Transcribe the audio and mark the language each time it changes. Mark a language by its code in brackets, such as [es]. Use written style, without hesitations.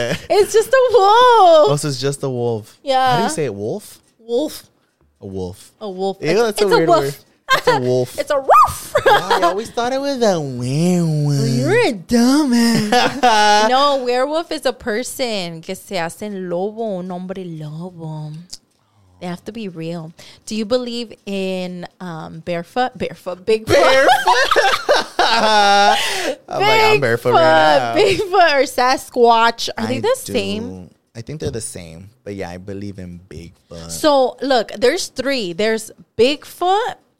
[en] It's just a wolf. Oh, so it's just a wolf. Yeah. How do you say it? Wolf? Wolf. A wolf. A wolf. Ew, it's a weird wolf. Word. It's a wolf. It's a wolf. Wow, I always thought it was a werewolf. You're a dumbass. No, werewolf is a person. [es] Que se hacen lobo, un hombre lobo. [en] They have to be real. Do you believe in barefoot? Barefoot. Bigfoot. Barefoot. I'm like, I'm barefoot right now. Bigfoot or Sasquatch. Are they the same? I think they're the same. But yeah, I believe in Bigfoot. So look, there's three. There's Bigfoot.